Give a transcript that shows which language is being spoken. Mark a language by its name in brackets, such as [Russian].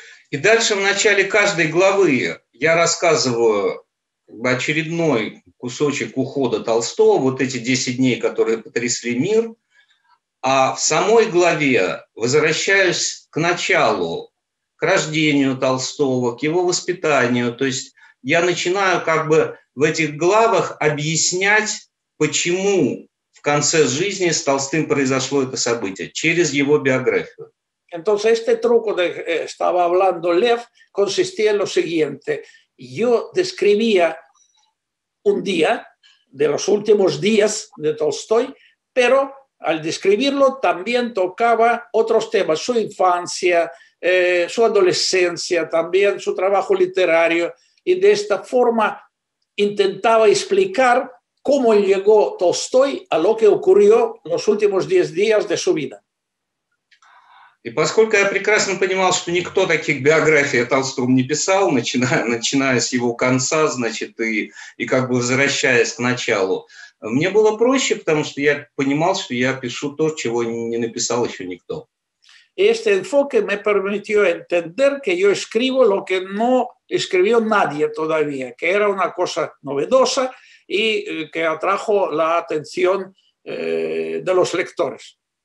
[Russian] И дальше в начале каждой главы я рассказываю очередной кусочек ухода Толстого, вот эти 10 дней, которые потрясли мир, а в самой главе возвращаюсь к началу, к рождению Толстого, к его воспитанию, то есть я начинаю как бы в этих главах объяснять, почему в конце жизни с Толстым произошло это событие через его биографию. [Spanish] Entonces este truco de estaba hablando Lev consistía en lo siguiente: yo describía un día de los últimos días de Tolstoy, pero al describirlo también tocaba otros temas: su infancia, su adolescencia, también su trabajo literario, y de esta forma intentaba explicar cómo llegó Tolstoy a lo que ocurrió los últimos 10 días de su vida. [Russian] И поскольку я прекрасно понимал, что никто таких биографий о Толстом не писал, начиная с его конца, значит, и как бы возвращаясь к началу, мне было проще, потому что я понимал, что я пишу то, чего не написал еще никто. [Spanish] Este enfoque me permitió entender que yo escribo lo que no escribió nadie todavía, que era una cosa novedosa y que atrajo la atención de los lectores.